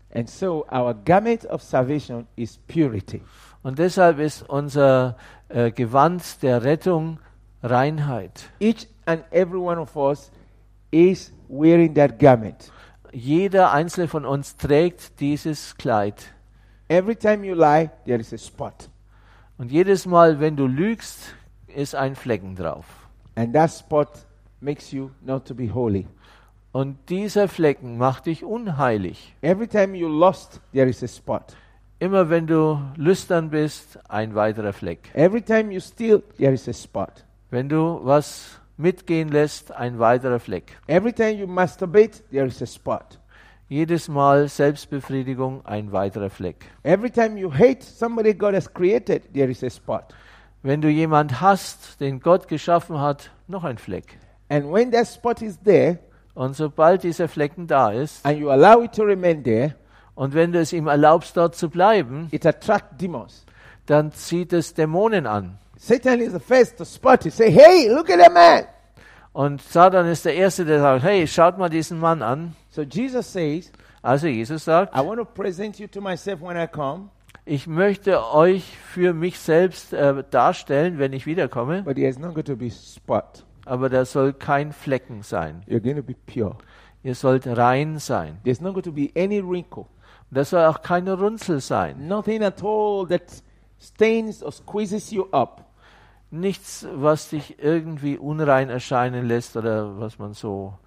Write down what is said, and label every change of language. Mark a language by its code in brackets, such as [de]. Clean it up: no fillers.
[en] And so our garment of salvation is purity. [de] Und deshalb ist unser Gewand der Rettung Reinheit. [en] Each and every one of us is wearing that garment. [de] Jeder einzelne von uns trägt dieses Kleid. [en] Every time you lie, there is a spot. [de] Und jedes Mal, wenn du lügst, ist ein Flecken drauf. [en] And that spot makes you not to be holy. [de] Und dieser Flecken macht dich unheilig. [en] Every time you lust, there is a spot. [de] Immer wenn du lüstern bist, ein weiterer Fleck. [en] Every time you steal, there is a spot. [de] Wenn du was mitgehen lässt, ein weiterer Fleck. [en] Every time you masturbate, there is a spot. [de] Jedes Mal Selbstbefriedigung, ein weiterer Fleck. [en] Every time you hate somebody God has created, there is a spot. [de] Wenn du jemand hasst, den Gott geschaffen hat, noch ein Fleck. [en] And when that spot is there, [de] und sobald dieser Flecken da ist, [en] and you allow it to remain there, [de] und wenn du es ihm erlaubst, dort zu bleiben, [en] it attracts demons. [de] Dann zieht es Dämonen an. [en] Satan is the first to spot it. Say, hey, look at that man. [de] Und Satan ist der Erste, der sagt, hey, schaut mal diesen Mann an. [en] So Jesus says, [de] also Jesus sagt, [en] I want to present you to myself when I come. [de] Ich möchte euch für mich selbst darstellen, wenn ich wiederkomme. [en] But there is not going to be spot. [de] Aber da soll kein Flecken sein. [en] You're going to be pure. [de] Ihr sollt rein sein. [en] There is not going to be any wrinkle. [de] Da soll auch keine Runzel sein. [en] Nothing at all that stains or squeezes you up. [de] Nichts, was dich irgendwie unrein erscheinen lässt oder was man so.